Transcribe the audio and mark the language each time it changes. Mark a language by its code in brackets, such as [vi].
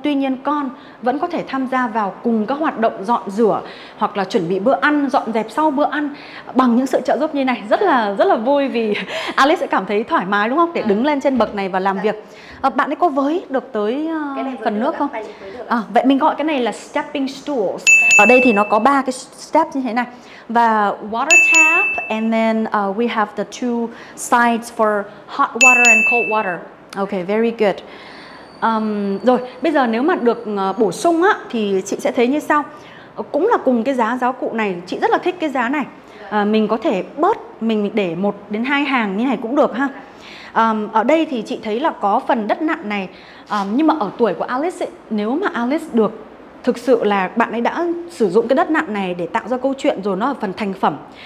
[vi] Tuy nhiên con vẫn có thể tham gia vào cùng các hoạt động dọn rửa hoặc là chuẩn bị bữa ăn, dọn dẹp sau bữa ăn bằng những sự trợ giúp như này. Rất là vui vì Alice sẽ cảm thấy thoải mái đúng không? Để đứng lên trên bậc này và làm việc. Bạn ấy có với được tới phần nước không? Vậy mình gọi cái này là stepping stools. Ở đây thì nó có ba cái step như thế này. Và [en] water tap, and then we have the two sides for hot water and cold water. Ok, very good. [vi] Rồi, bây giờ nếu mà được bổ sung á, thì chị sẽ thấy như sau. Cũng là cùng cái giá giáo cụ này, chị rất là thích cái giá này. Mình có thể bớt, mình để 1 đến 2 hàng như này cũng được ha. Ở đây thì chị thấy là có phần đất nặng này. Nhưng mà ở tuổi của Alice ấy, nếu mà Alice được thực sự là bạn ấy đã sử dụng cái đất nặng này để tạo ra câu chuyện rồi, nó ở phần thành phẩm.